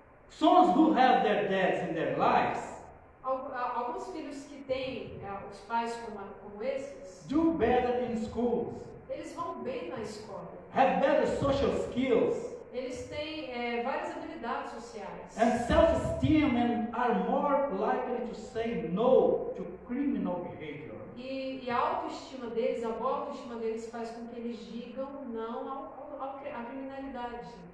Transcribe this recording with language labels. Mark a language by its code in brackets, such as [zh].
[en] Sons who have their dads in their lives. [pt] Alguns filhos que têm os pais como esses. [en] Do better in schools. [pt] Eles vão bem na escola. [en] Have better social skills. [pt] Eles têm várias habilidades sociais. [en] And self-esteem and are more likely to say no to criminal behavior. [pt] E a autoestima deles, a boa autoestima deles faz com que eles digam não à criminalidade.